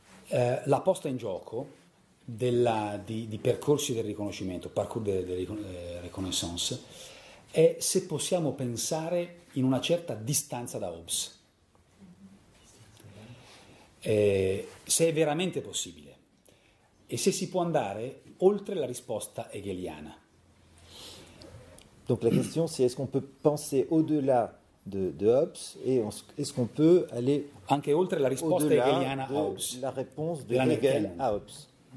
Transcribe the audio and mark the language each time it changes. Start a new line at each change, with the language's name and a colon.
Italian: La posta in gioco di percorsi del riconoscimento,
French: parcours de reconnaissance,
Italian: è se possiamo pensare in una certa distanza da Hobbes, se è veramente possibile e se si può andare oltre la risposta hegeliana.
French: Donc la question c'est est-ce qu'on peut penser au-delà de Hobbes et est-ce qu'on peut aller
Italian: anche oltre la risposta hegeliana a Hobbes,
French: la réponse de Hegel à Hobbes.